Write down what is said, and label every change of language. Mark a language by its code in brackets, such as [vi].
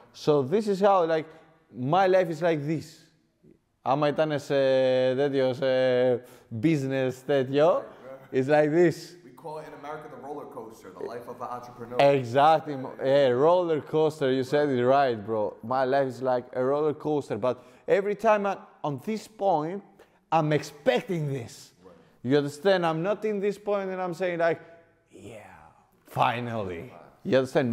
[en] So this is how, like, my life is like this. [el] Άμα ήταν σε τέτοιο, σε business τέτοιο, [en] right. It's like this. We call it in America the roller coaster, the life of an entrepreneur. Exactly. Yeah, roller coaster, you said it right, bro. My life is like a roller coaster, but every time on this point, I'm expecting this. Right. You understand? I'm not in this point and I'm saying like, yeah, finally. Right. You understand?